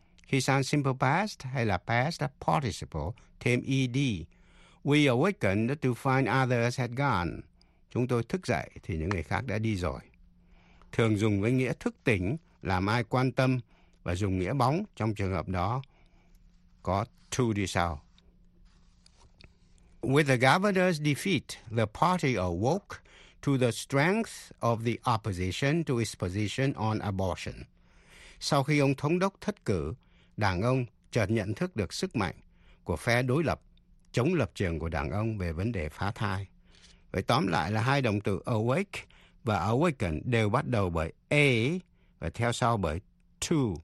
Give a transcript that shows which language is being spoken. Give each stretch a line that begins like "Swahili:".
Vietnamese: Khi sang simple past hay là past participle, thêm ed.
English: We awakened to find others had gone.
Vietnamese: Chúng tôi thức dậy thì những người khác đã đi rồi. Thường dùng với nghĩa thức tỉnh, làm ai quan tâm. Và dùng nghĩa bóng trong trường hợp đó có to đi sau.
English: With the governor's defeat, the party awoke to the strength of the opposition to its position on abortion.
Vietnamese: Sau khi ông thống đốc thất cử, đảng ông chợt nhận thức được sức mạnh của phe đối lập, chống lập trường của đảng ông về vấn đề phá thai. Vậy tóm lại là hai động từ awake và awaken đều bắt đầu bởi A và theo sau bởi to.